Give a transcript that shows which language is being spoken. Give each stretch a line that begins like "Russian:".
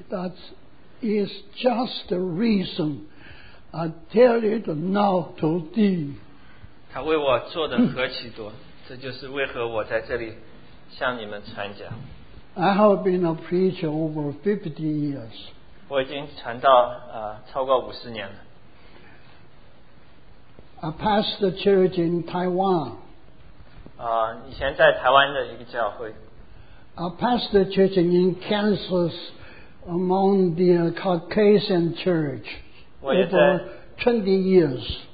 English: That is just the reason I tell it now to thee.
Chinese: 他为我做的何其多，这就是为何我在这里向你们传讲。
English: I have been a preacher over 50 years.
Chinese: 我已经传道超过50年了。
English: I pastored a church in Taiwan.
Chinese: 以前在台湾的一个教会。
English: I pastored a church in Kansas among the Caucasian church over 20 years.